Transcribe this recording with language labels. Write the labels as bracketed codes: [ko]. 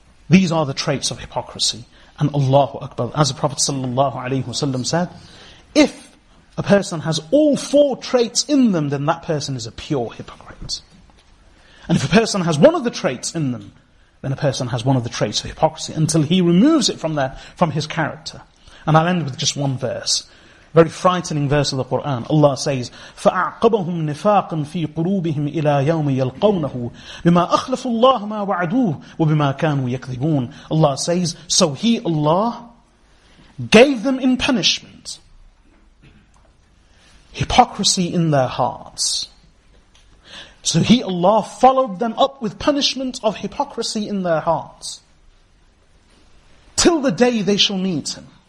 [en] These are the traits of hypocrisy. And Allahu Akbar, as the Prophet sallallahu alaihi wasallam said, if a person has all 4 traits in them, then that person is a pure hypocrite. And if a person has one of the traits in them, then a person has one of the traits of hypocrisy until he removes it from his character. And I'll end with just one verse. Very frightening verse of the Quran. [ar] Allah says, فَأَعْقَبَهُمْ نِفَاقًا فِي قُلُوبِهِمْ إِلَىٰ يَوْمِ يَلْقَوْنَهُ بِمَا أَخْلَفُ اللَّهُ مَا وَعَدُوهُ وَبِمَا كَانُوا يَكْذِبُونَ. [en] Allah says, so he, Allah, gave them in punishment hypocrisy in their hearts. So he, Allah, followed them up with punishment of hypocrisy in their hearts till the day they shall meet him.